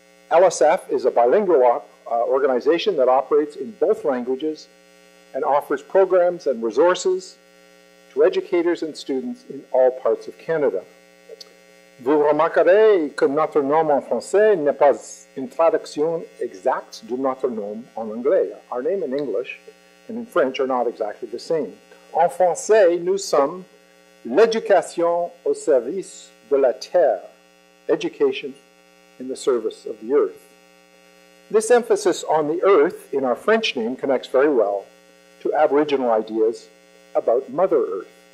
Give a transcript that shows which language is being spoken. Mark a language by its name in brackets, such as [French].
[English] LSF is a bilingual organization that operates in both languages and offers programs and resources to educators and students in all parts of Canada. [French] Vous remarquerez que notre nom en français n'est pas une traduction exacte de notre nom en anglais. [English] Our name in English and in French are not exactly the same. [French] En français, nous sommes l'éducation au service de la terre, [English] education in the service of the earth. This emphasis on the earth in our French name connects very well to Aboriginal ideas about Mother Earth.